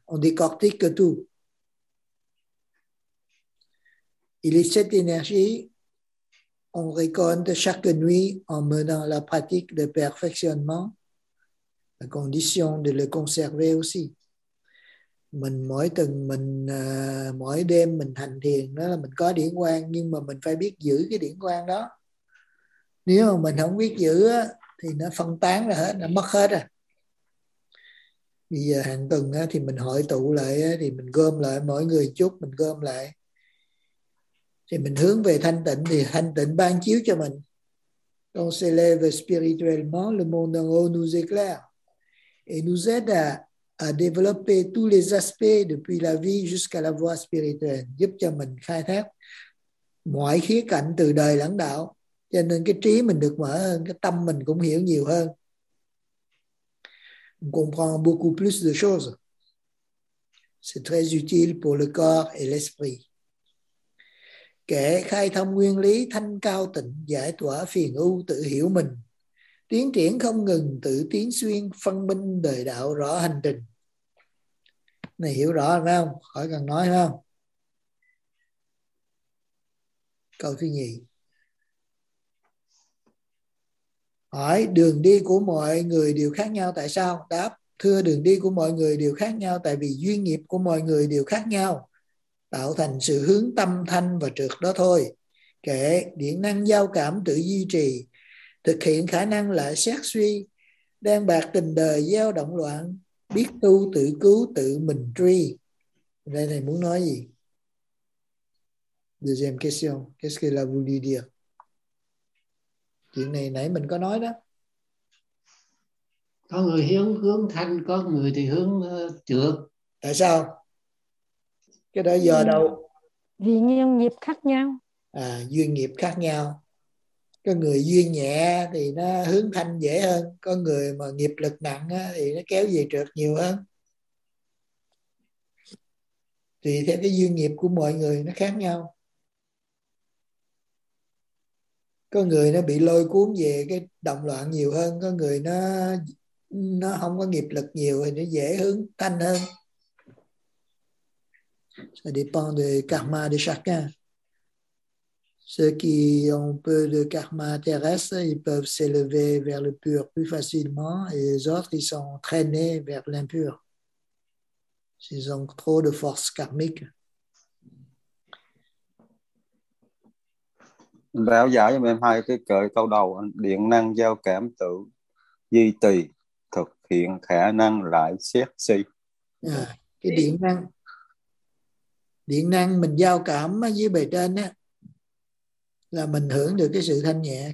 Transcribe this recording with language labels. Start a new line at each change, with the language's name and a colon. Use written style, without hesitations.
French: On décortique tout. Il est cette énergie qu'on récolte chaque nuit en menant la pratique de perfectionnement, à condition de le conserver aussi.
Vietnamese: Mình mỗi tuần, mỗi đêm mình hành thiền, đó là mình có điển quang, nhưng mà mình phải biết giữ cái điển quang đó. Nếu mà mình không biết giữ thì nó phân tán ra hết, nó mất hết rồi. Bây giờ hàng tuần thì mình hội tụ lại, thì mình gom lại mỗi người chút, mình gom lại. Thì mình hướng về thanh tịnh thì thanh tịnh ban chiếu cho mình.
French: On s'élève spirituellement, le monde en haut nous éclaire et nous aide à développer tous les aspects depuis la vie jusqu'à la voie spirituelle,
Vietnamese: giúp cho mình khai thác mọi khía cạnh từ đời lẫn đạo. Cho nên cái trí mình được mở hơn, cái tâm mình cũng hiểu nhiều hơn.
French: On comprend beaucoup plus de choses. C'est très utile pour le corps et l'esprit.
Vietnamese: Kể, khai thông nguyên lý thanh cao tịnh, giải tỏa phiền ưu tự hiểu mình, tiến triển không ngừng, tự tiến xuyên, phân minh đời đạo rõ hành trình. Này hiểu rõ phải không? Khỏi cần nói phải không? Câu thứ nhì. Hỏi, đường đi của mọi người đều khác nhau tại sao? Đáp, thưa, đường đi của mọi người đều khác nhau tại vì duyên nghiệp của mọi người đều khác nhau, tạo thành sự hướng tâm thanh và trượt đó thôi. Kể, điện năng giao cảm tự duy trì, thực hiện khả năng lại xét suy, đang bạc tình đời gieo động loạn, biết tu tự cứu tự mình truy. Đây này muốn nói gì?
French: Deuxième question, qu'est-ce que la vous lui dire?
Vietnamese: Chuyện này nãy mình có nói đó. Có người hướng thanh, có người thì hướng trượt. Tại sao? Cái đó do đâu? Vì duyên nghiệp khác nhau. À, duyên nghiệp khác nhau. Có người duyên nhẹ thì nó hướng thanh dễ hơn. Có người mà nghiệp lực nặng thì nó kéo về trượt nhiều hơn. Tùy theo cái duyên nghiệp của mọi người nó khác nhau. Có người nó bị lôi cuốn về cái động loạn nhiều hơn. Có người nó không có nghiệp lực nhiều thì nó dễ hướng thanh hơn.
French: Ça dépend de karma de chacun. Ceux qui ont peu de karma terrestre, ils peuvent s'élever vers le pur plus facilement et les autres, ils sont traînés vers l'impur. S'ils ont trop de force karmique.
Vietnamese: Lão giải cho em hai cái cỡ câu đầu, điện năng giao cảm tự, duy trì, thực hiện khả năng lại xét si. Cái điện năng mình giao cảm với bề trên á, là mình hưởng được cái sự thanh nhẹ.